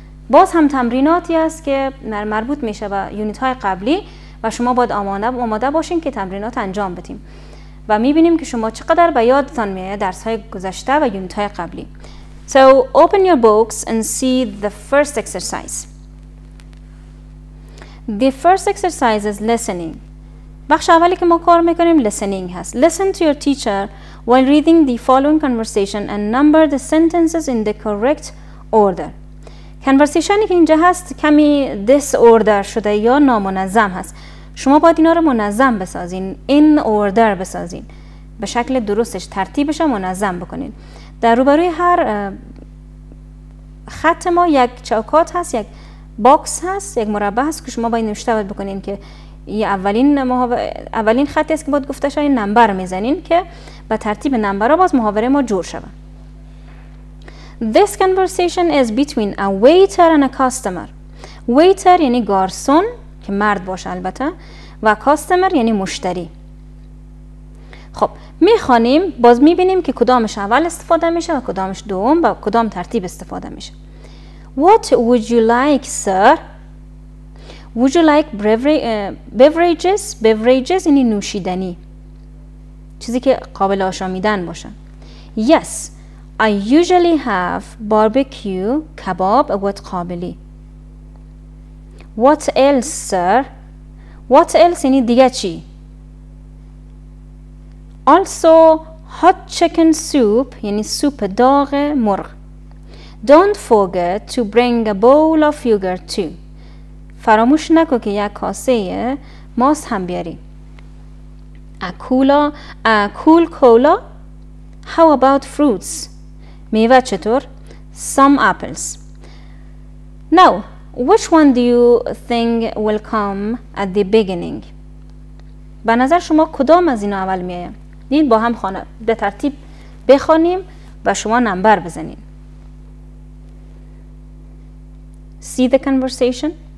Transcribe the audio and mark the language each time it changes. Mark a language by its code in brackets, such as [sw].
[fa] باز هم تمریناتی است که مربوط میشه به یونیت های قبلی و شما باید آماده باشین که تمرینات انجام بدیم. و میبینیم که شما چقدر به یادتان میاد درس های گذشته و یونیت های قبلی. [en] So open your books and see the first exercise. The first exercise is listening. [fa] بخش اولی که ما کار میکنیم [en] listening [fa] هست. [en] Listen to your teacher while reading the following conversation and number the sentences in the correct order. [fa] Conversationی که اینجا هست کمی disorder شده یا نامنظم هست. شما باید اینا رو منظم بسازین. [en] In order بسازین. [fa] به شکل درستش ترتیبش منظم بکنین. در روبروی هر خط ما یک چوکات هست، یک باکس هست، یک مربع هست که شما باید نوشته باید بکنین که اولین خطی است که باید گفته شاید نمبر میزنین که به ترتیب نمبر ها باز محاوره ما جور شود. [en] This conversation is between a waiter and a customer. [fa] Waiter یعنی گارسون که مرد باشه البته و customer یعنی مشتری. خب میخوانیم باز میبینیم که کدامش اول استفاده میشه و کدامش دوم و کدام ترتیب استفاده میشه. [en] What would you like, sir? Would you like beverages? [fa] Beverages یعنی نوشیدنی. چیزی که قابل آشامیدن باشه. [en] Yes, I usually have barbecue, kebab, what قابلی. What else, sir? What else [fa] یعنی دیگه چی؟ [en] Also, hot chicken soup, [fa] یعنی سوپ داغ مرغ. [en] Don't forget to bring a bowl of yogurt too. [fa] فراموش نکو که یک کاسه ماست هم بیاری. [en] A cool cola. How about fruits? [fa] میوه چطور؟ [en] Some apples. Now, which one do you think will come at the beginning? [fa] به نظر شما کدام از اینا اول میایه؟ دید با هم خانه به ترتیب بخونیم و شما نمبر بزنیم. [en] See the conversation.